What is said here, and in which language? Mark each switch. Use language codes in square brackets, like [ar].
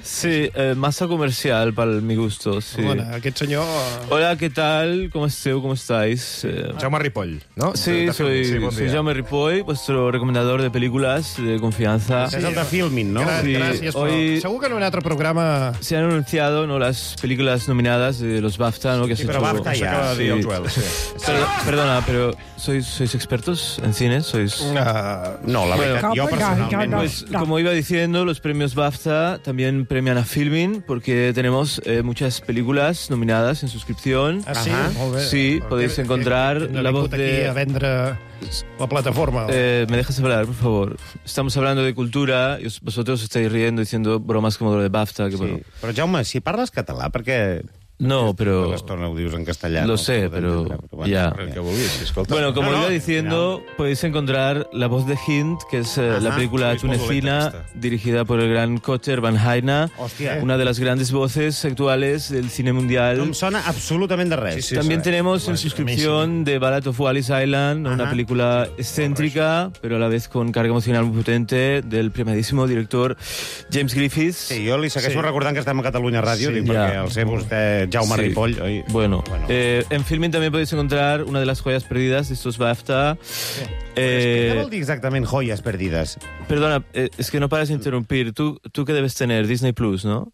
[ca] Sí, massa comercial pel mi gusto. Sí. Bona, aquest senyor... Hola, què tal? Com esteu? Com estàs? Jaume Ripoll, no? [es] Sí, soy Jaume Ripoll, vuestro recomendador de [ca] pel·lícules de confiança. És el de Filmin, no? Sí. Gràcies, però segur que en un altre programa... [es] Se han anunciado las películas nominadas de los BAFTA, ¿no? [ca] Sí, però BAFTA ja. acaba de dir el Joel. Sí. Però, perdona, però [es] sois expertos en cine? Sois... [ca] No, la veritat, bueno, jo personalment... No. [es] Pues, como iba diciendo, los premios BAFTA también premian a Filmin, porque tenemos muchas películas nominadas en suscripción. [ca] Ah, sí? Molt bé. [es] Sí, podéis encontrar la voz de... [ca] Aquí a vendre... La plataforma. [es] ¿Me dejas hablar, por favor? Estamos hablando de cultura y vosotros estáis riendo, diciendo bromas como lo de BAFTA. Que sí, bueno. [ca] Però Jaume, si parles català, perquè... No, però... Tota l'estona ho dius en castellà. [es] Lo sé, [ca] però... Ja. [es] Bueno, como iba diciendo, podéis encontrar La voz de Hind, que es la película tunecina dirigida por el gran Kotcher Van Haina, una de las grandes voces actuales del cine mundial. [ca] No em sona absolutament de res. Sí, [es] también tenemos en suscripción The Ballad of Wallis Island, una película excéntrica, pero a la vez con carga emocional muy potente, del premiadísimo director James Griffiths. [ca] Sí, jo li segueixo recordant que estem a Catalunya Ràdio, perquè el sé vostè... Jaume Ripoll. Bueno, en Filmin també podeu encontrar una de les joies perdides d'estos BAFTA. Què vol dir exactament joies perdides? Perdona, és que no pares d'interrompir. Tu què debes tenir? Disney Plus, no?